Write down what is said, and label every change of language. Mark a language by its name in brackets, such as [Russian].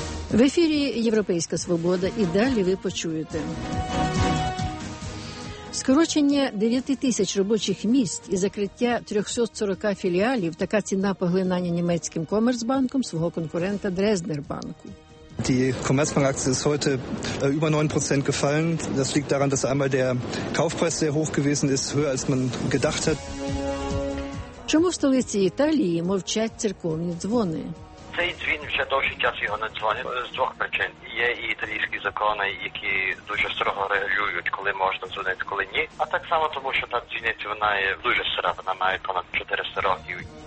[Ukrainian] В ефірі «Європейська свобода» і далі ви почуєте. Скорочення 9 тисяч робочих місць і закриття 340 філіалів – така ціна поглинання німецьким Commerzbanком свого конкурента Дрезнербанку. [German] Die Commerzbank-Aktie ist heute über 9% gefallen. Das liegt daran, dass einmal der Kaufpreis sehr hoch gewesen ist, höher als man gedacht hat. [Ukrainian] Чому в столиці Італії мовчать церковні дзвони? Цей дзвін вже довший час його не дзвонять з двох причин. Є і італійські закони, які дуже строго регулюють, коли можна дзвонити, коли ні. А так само тому, що та дзвіниця, вона є дуже стара, вона має понад 400 років.